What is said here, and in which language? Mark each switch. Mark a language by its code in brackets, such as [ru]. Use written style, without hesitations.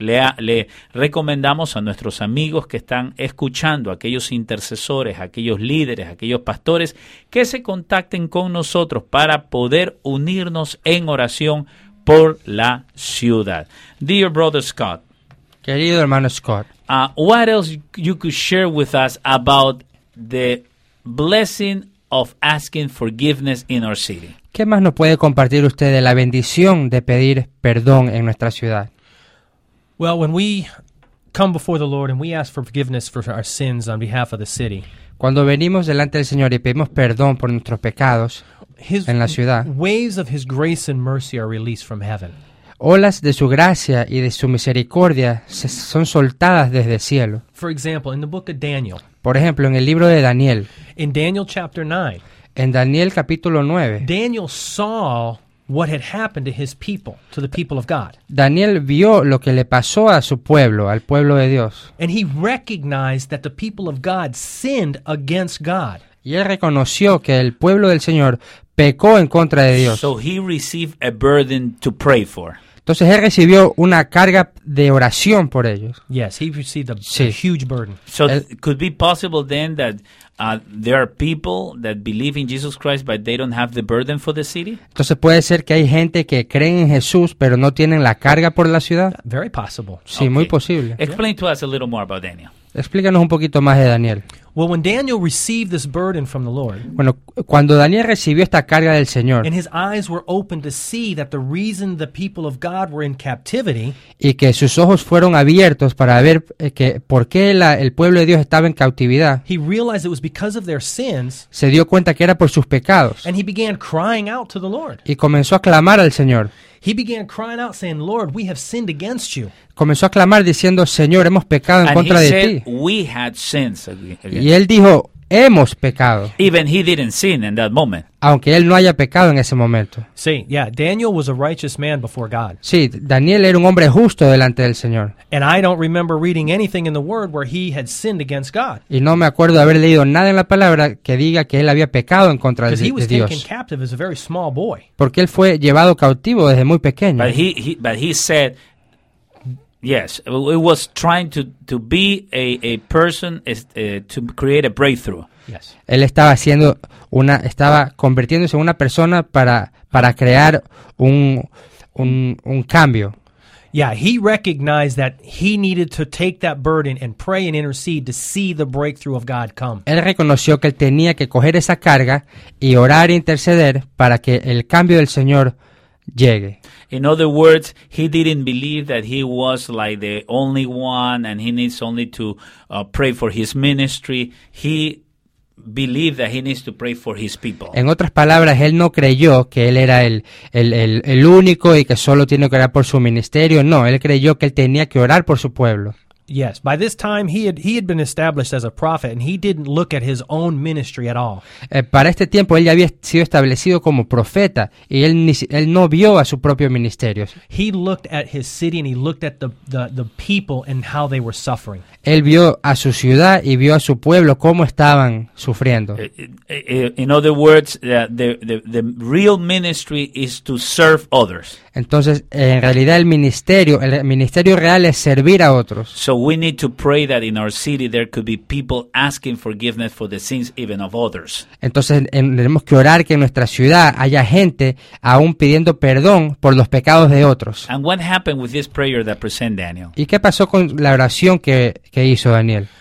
[es] Le recomendamos a nuestros amigos que están escuchando, aquellos intercesores, aquellos líderes, aquellos pastores, que se contacten con nosotros para poder unirnos en oración por la ciudad. [en] Dear Brother Scott. [es] Querido hermano Scott. [en] What else you could share with us about the blessing of asking forgiveness in our city? [es] ¿Qué más nos puede compartir usted de la bendición de pedir perdón en nuestra ciudad? [en] Well, when we come before the Lord and we ask for forgiveness for our sins on behalf of the city, [es] cuando venimos delante del Señor y pedimos perdón por nuestros pecados en la ciudad, [en] waves of his grace and mercy are released from heaven. [es] Olas de su gracia y de su misericordia son soltadas desde el cielo. [en] For example, in the book of Daniel, [es] por ejemplo, en el libro de Daniel. [en] In Daniel chapter 9. [es] En Daniel capítulo 9. [en] Daniel saw what had happened to his people, to the people of God. [es] Daniel vio lo que le pasó a su pueblo, al pueblo de Dios. [en] And he recognized that the people of God sinned against God. [es] Y él reconoció que el pueblo del Señor pecó en contra de Dios. [en] So he received a burden to pray for. [es] Entonces él recibió una carga de oración por ellos. [en] Yes, he received a huge burden. So could be possible then that there are people that believe in Jesus Christ, but they don't have the burden for the city? [es] Entonces puede ser que hay gente que cree en Jesús, pero no tienen la carga por la ciudad. [en] Very possible. [es] Sí, okay. Muy posible. [en] Explain to us a little more about Daniel. [es] Explícanos un poquito más de Daniel. [en] Well, when Daniel received this burden from the Lord, [es] bueno, cuando Daniel recibió esta carga del Señor, [en] and his eyes were opened to see that the reason the people of God were in captivity, [es] y que sus ojos fueron abiertos para ver que por qué la, el pueblo de Dios estaba en cautividad, [en] he realized it was because of their sins, [es] se dio cuenta que era por sus pecados, [en] and he began crying out to the Lord, [es] y comenzó a clamar al Señor. [en] He began crying out, saying, "Lord, we have sinned against you." [es] Comenzó a clamar diciendo, "Señor, hemos pecado en [en] and [es] contra de [en] said, [es] ti." [en] And he said, "We had sins." [es] Y él dijo, "Hemos pecado." [en] Even he didn't sin in that moment. [es] Aunque él no haya pecado en ese momento. [en] Sí, yeah, Daniel was a righteous man before God. [es] Sí, Daniel era un hombre justo delante del Señor. [en] And I don't remember reading anything in the Word where he had sinned against God. [es] Y no me acuerdo de haber leído nada en la palabra que diga que él había pecado en contra de Dios. [en] Because he was taken captive as a very small boy. [es] Porque él fue llevado cautivo desde muy pequeño. [en] But he said, yes, it was trying to be a person to create a breakthrough. Yes. [es] Él estaba haciendo una estaba convirtiéndose en una persona para crear un cambio. [en] Yeah, he recognized that he needed to take that burden and pray and intercede to see the breakthrough of God come. [es] Él reconoció que él tenía que coger esa carga y orar e interceder para que el cambio del Señor llegue. [en] In other words, he didn't believe that he was like the only one and he needs only to pray for his ministry. He believed that he needs to pray for his people. [es] En otras palabras, él no creyó que él era el único y que solo tiene que orar por su ministerio. No, él creyó que él tenía que orar por su pueblo. [en] Yes, by this time he had been established as a prophet and he didn't look at his own ministry at all. [es] Para este tiempo él ya había sido establecido como profeta y él no vio a su propio ministerio. [en] He looked at his city and he looked at the people and how they were suffering. [es] Él vio a su ciudad y vio a su pueblo cómo estaban sufriendo. [en] In other words, the real ministry is to serve others. [es] Entonces, en realidad el ministerio real es servir a otros. [en] So we need to pray that in our city there could be people asking forgiveness for the sins even of others. [es] Entonces, tenemos que orar que en nuestra ciudad haya gente aún pidiendo perdón por los pecados de otros. [en] And what happened with this prayer that presented Daniel? [es] ¿Y qué pasó con la oración que hizo Daniel?